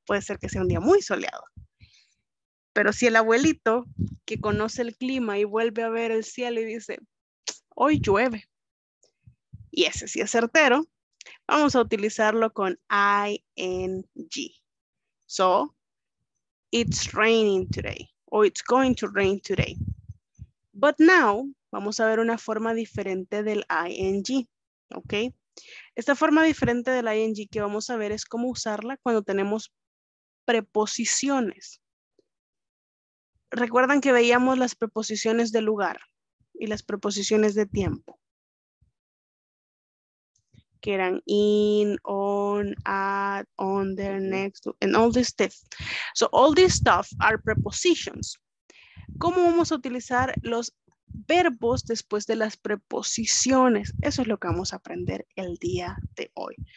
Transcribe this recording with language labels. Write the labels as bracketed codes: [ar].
[es] Puede ser que sea un día muy soleado. Pero si el abuelito que conoce el clima y vuelve a ver el cielo y dice, hoy llueve, y ese sí es certero, vamos a utilizarlo con ING. [en] So, it's raining today, or it's going to rain today. But now, [es] vamos a ver una forma diferente del ING, ¿ok? Esta forma diferente del ING que vamos a ver es cómo usarla cuando tenemos preposiciones. ¿Recuerdan que veíamos las preposiciones de lugar y las preposiciones de tiempo? Que eran [en] in, on, at, under, next, and all this stuff. So all this stuff are prepositions. [es] ¿Cómo vamos a utilizar los verbos después de las preposiciones? Eso es lo que vamos a aprender el día de hoy.